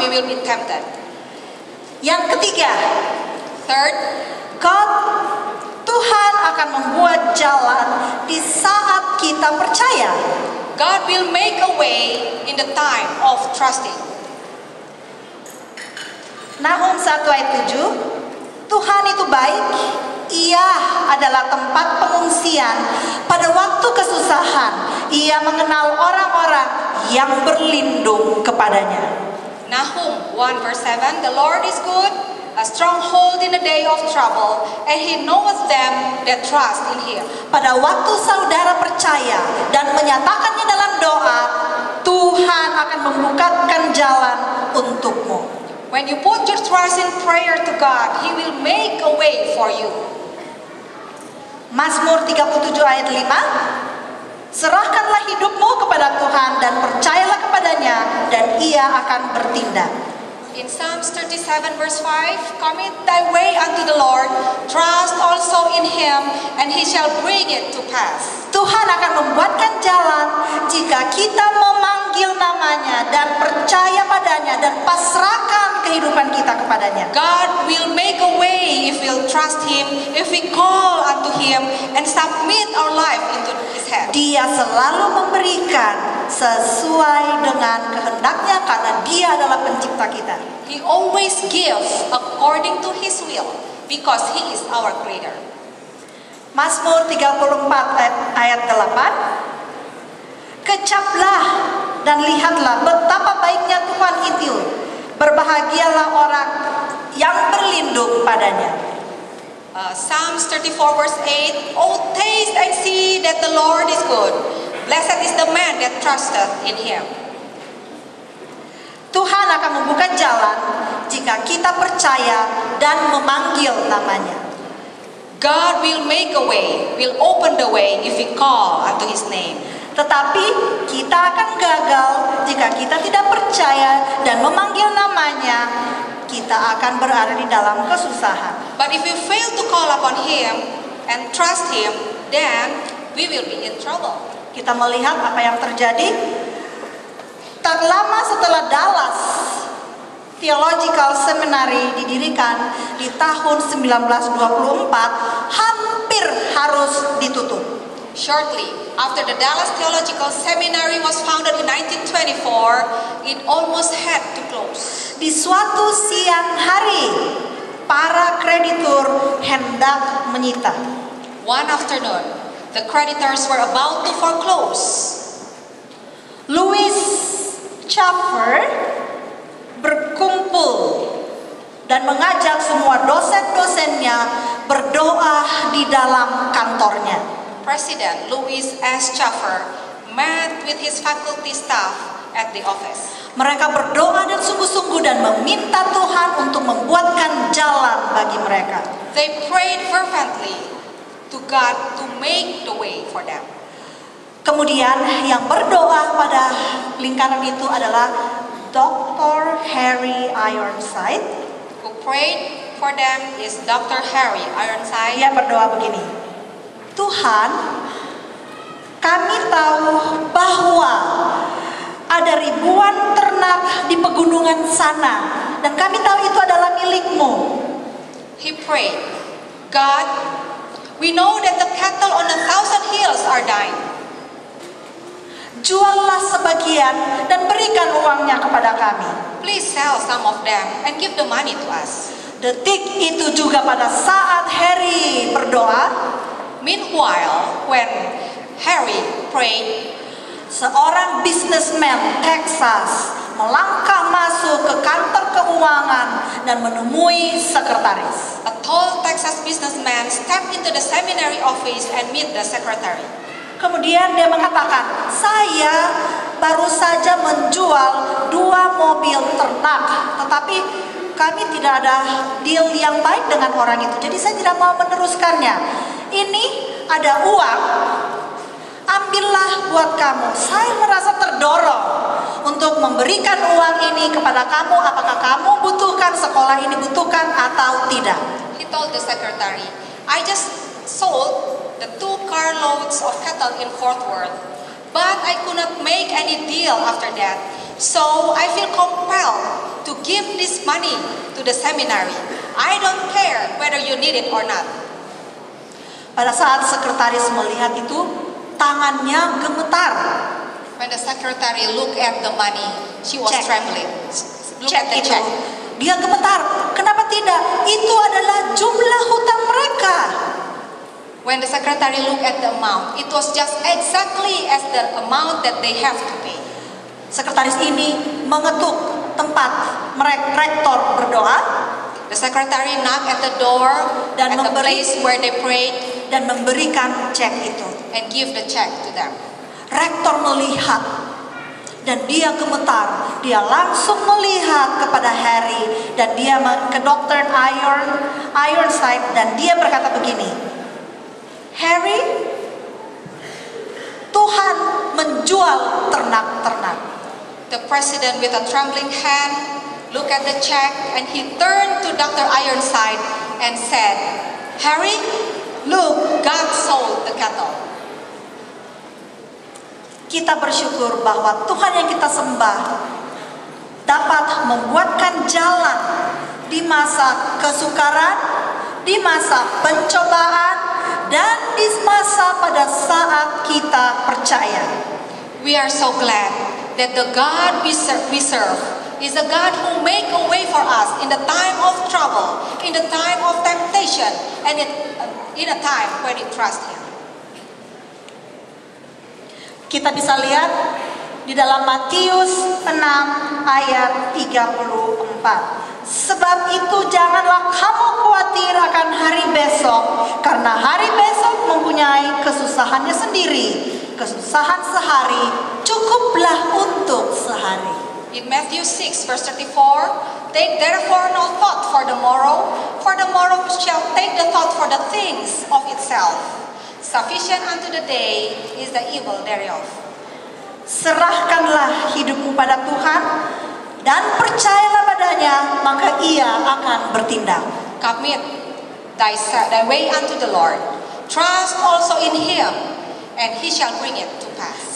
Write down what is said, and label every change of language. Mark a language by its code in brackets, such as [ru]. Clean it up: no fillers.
[en] We will be tempted. [id] Yang ketiga. [en] Third. [id] God, Tuhan akan membuat jalan di saat kita percaya. [en] God will make a way in the time of trusting. [id] Nahum 1 ayat 7, Tuhan itu baik, Ia adalah tempat pengungsian pada waktu kesusahan. Ia mengenal orang-orang yang berlindung kepadanya. [en] Nahum 1 verse 7, the Lord is good, a stronghold in the day of trouble, and he knows them that trust in him. [id] Pada waktu saudara percaya dan menyatakannya dalam doa, Tuhan akan membukakan jalan untukmu. [en] When you put your trust in prayer to God, he will make a way for you. [id] Mazmur 37 ayat 5, serahkanlah hidupmu kepada Tuhan dan percayalah kepadanya, dan ia akan bertindak. [en] In Psalms 37 verse 5, commit thy way unto the Lord, trust also in him, and he shall bring it to pass. [id] Tuhan akan membuatkan jalan jika kita memanggil namanya dan percaya padanya dan pasrahkan kehidupan kita kepadanya. [en] God will make a way if we trust him, if we call unto him and submit our life into his hand. [id] Dia selalu memberikan sesuai dengan kehendaknya karena dia adalah pencipta kita. [en] He always gives according to his will because he is our creator. [id] Mazmur 34 ayat 8. Kecaplah dan lihatlah betapa baiknya Tuhan itu. Berbahagialah orang yang berlindung padanya. [en] Psalms 34 verse 8. Oh, taste and see that the Lord is good. Blessed is the man that trusteth in him. [id] Tuhan akan membuka jalan jika kita percaya dan memanggil namanya. [en] God will make a way, will open the way if we call unto his name. [id] Tetapi kita akan gagal jika kita tidak percaya dan memanggil namanya, kita akan berada di dalam kesusahan. [en] But if we fail to call upon him and trust him, then we will be in trouble. [id] Kita melihat apa yang terjadi. Tak lama setelah Dallas Theological Seminary didirikan di tahun 1924, hampir harus ditutup. [en] Shortly after the Dallas Theological Seminary was founded in 1924, it almost had to close. [id] Di suatu siang hari, para kreditur hendak menyita. [en] One afternoon, the creditors were about to foreclose. [id] Louis Chaffer berkumpul dan mengajak semua dosen-dosennya berdoa di dalam kantornya. [en] President Louis S. Chaffer met with his faculty staff at the office. [id] Mereka berdoa dan sungguh-sungguh dan meminta Tuhan untuk membuatkan jalan bagi mereka. [en] They prayed fervently to God to make the way for them. [id] Kemudian yang berdoa pada lingkaran itu adalah Dr. Harry Ironside. [en] Who prayed for them is Dr. Harry Ironside. [id] Dia berdoa begini. Tuhan, kami tahu bahwa ada ribuan ternak di pegunungan sana dan kami tahu itu adalah milikmu. [en] He prayed. God, we know that the cattle on a thousand hills are dying. [id] Juallah sebagian dan berikan uangnya kepada kami. [en] Please sell some of them and give the money to us. [id] Detik itu juga pada saat Harry berdoa. [en] Meanwhile, when Harry prayed, [id] seorang businessman Texas melangkah masuk ke kantor keuangan dan menemui sekretaris. [en] A tall Texas businessman stepped into the seminary office and met the secretary. [id] Kemudian dia mengatakan, saya baru saja menjual 2 mobil ternak, tetapi kami tidak ada deal yang baik dengan orang itu, jadi saya tidak mau meneruskannya. Ini ada uang, ambillah buat kamu. Saya merasa terdorong untuk memberikan uang ini kepada kamu, apakah kamu butuhkan, sekolah ini butuhkan atau tidak. [en] He told the secretary, I just sold the 2 carloads of cattle in Fort Worth, but I could not make any deal after that, so I feel compelled to give this money to the seminary. I don't care whether you need it or not. [id] Pada saat sekretaris melihat itu, tangannya gemetar. [en] When the secretary looked at the money, she was check. Trembling. Look check at the [id] itu. [en] Check. [id] Dia gemetar. Kenapa tidak? Itu adalah jumlah hutang mereka. [en] When the secretary looked at the amount, it was just exactly as the amount that they have to pay. [id] Sekretaris ini mengetuk tempat rektor berdoa. [en] The secretary knocked at the door [id] dan [en] at the place where they prayed [id] dan memberikan cek itu [en] and give the check to them. [id] Rektor melihat dan dia gemetar. Dia langsung melihat kepada Harry dan dia ke Dr. Ironside dan dia berkata begini. Harry, Tuhan menjual ternak-ternak. [en] The president with a trembling hand looked at the check, and he turned to Dr. Ironside and said, "Harry, look, God sold the cattle." [id] Kita bersyukur bahwa Tuhan yang kita sembah dapat membuatkan jalan di masa kesukaran, di masa pencobaan, dan di masa pada saat kita percaya. [en] We are so glad that the God we serve is a God who make a way for us in the time of trouble, in the time of temptation, and in a time when we trust Him. [id] Kita bisa lihat di dalam Matius 6 ayat 34. Sebab itu janganlah kamu khawatir akan hari besok, karena hari besok mempunyai kesusahannya sendiri. Kesusahan sehari cukuplah untuk sehari. [en] In Matthew 6 verse 34, take therefore no thought for the morrow, for the morrow shall take the thought for the things of itself. Sufficient unto the day is the evil thereof. [id] Serahkanlah hidupmu pada Tuhan dan percayalah padanya, maka Ia akan bertindak. [en] Commit thy way unto the Lord. Trust also in Him, and He shall bring it to pass.